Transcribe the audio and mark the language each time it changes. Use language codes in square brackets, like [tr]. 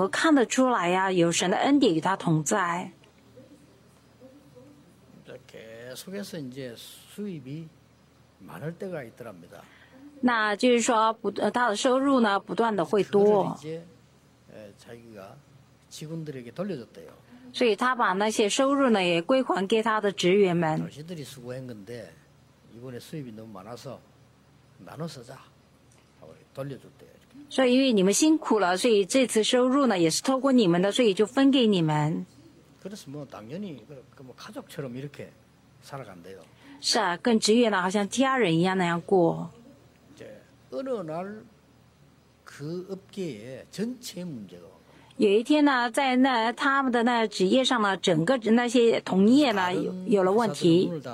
[zh] 这个长老呢是和他祷告的人呢能够看得出来呀，有神的恩典与他同在。 [ko] 계속해서 이제 수입이 많을 때가 있더랍니다. [zh] 那就是说，不，他的收入呢不断的会多。 [ko] 이제 자기가 직원들에게 돌려줬대요. [zh] 所以他把那些收入呢也归还给他的职员们。 [ko] 당신들이 수고한 건데. 이번에 수입이 너무 많아서 나눠서자 하고 돌려줬대요. [zh] 所以因为你们辛苦了，所以这次收入呢也是透过你们的，所以就分给你们。 [ko] 그래서 뭐 당연히 뭐 가족처럼 이렇게 살아간대요. [zh] 是啊，跟职员呢好像家人一样那样过。 [ko] 이제 어느 날 그 업계에 전체 문제가. [zh] 有一天呢，在那他们的那职业上呢，整个那些同业呢有了问题。